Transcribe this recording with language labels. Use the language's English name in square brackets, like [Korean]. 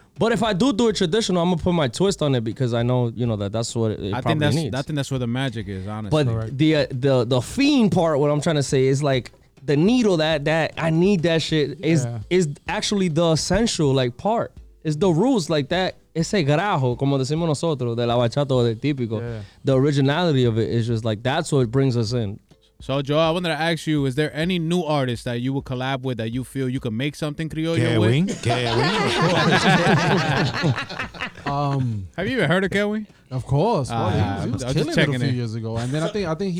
[English] But if I do it traditional, I'm going to put my twist on it because I know, you know, that's what it probably needs. I think that's where the magic is, honestly. But the fiend part, what I'm trying to say, is like the needle that I need that shit is actually the essential, like, part. It's the roots, like that. [Spanish] Ese grajo, como decimos nosotros, de la bachata o de típico. [English] Yeah. The originality of it is just like, that's what brings us in. So, Joel, I wanted to ask you, is there any new artist that you would collab with that you feel you can make something criollo with? Kevin? Kevin? Have you even heard of Kevin? Of course. He was killing it a few years ago. And then I think he...